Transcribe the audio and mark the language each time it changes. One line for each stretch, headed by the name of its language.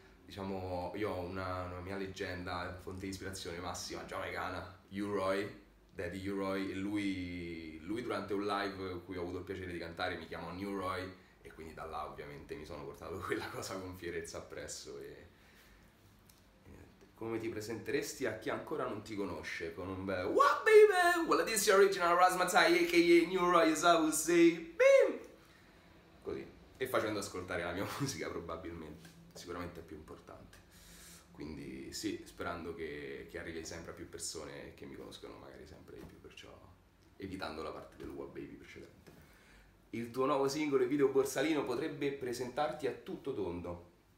Italian: Diciamo, io ho una mia leggenda, fonte di ispirazione massima, giamaicana, U-Roy. Daddy U-Roy, e lui durante un live in cui ho avuto il piacere di cantare mi chiamò New Roy e quindi da là ovviamente mi sono portato quella cosa con fierezza appresso. Come ti presenteresti a chi ancora non ti conosce? Con un bel
English: What baby? Well, this is your original Razzmatazz, a.k.a. New Roy, as I would say, bim!
Italian: Così, e facendo ascoltare la mia musica probabilmente, sicuramente è più importante. Quindi sì, sperando che arrivi sempre a più persone che mi conoscono magari sempre di più, perciò evitando la parte del Wa Baby precedente. Il tuo nuovo singolo e video Borsalino potrebbe presentarti a tutto tondo.